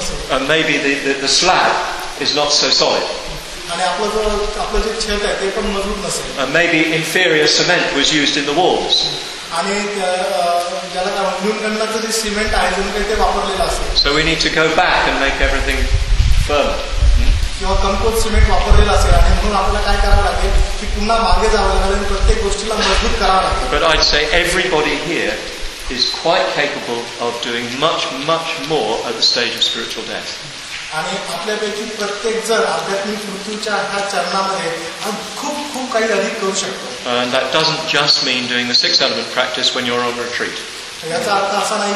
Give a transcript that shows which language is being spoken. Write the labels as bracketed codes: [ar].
[en] And maybe the slab is not so solid. And maybe inferior cement was used in the walls. [mr] आणि ज्याला काय म्हणून गणलाचं जे cement आहे जे काही ते वापरलेलं असेल. [en] So we need to go back and make everything firm. [mr] किंवा कमकोट सिमेंट वापरलेलं असेल आणि म्हणून आपल्याला काय करावं लागेल की पुन्हा मागे जावं लागेल आणि प्रत्येक गोष्टीला मजबूत करावं लागेल. [en] But I'd say everybody here is quite capable of doing much, much more at the stage of spiritual death. [mr] आणि आपल्यापैकी प्रत्येक जण आध्यात्मिक मृत्यूच्या ह्या चरणामध्ये खूप खूप काही अधिक करू शकतो. [en] And that doesn't just mean doing the 6 element practice when you're on retreat.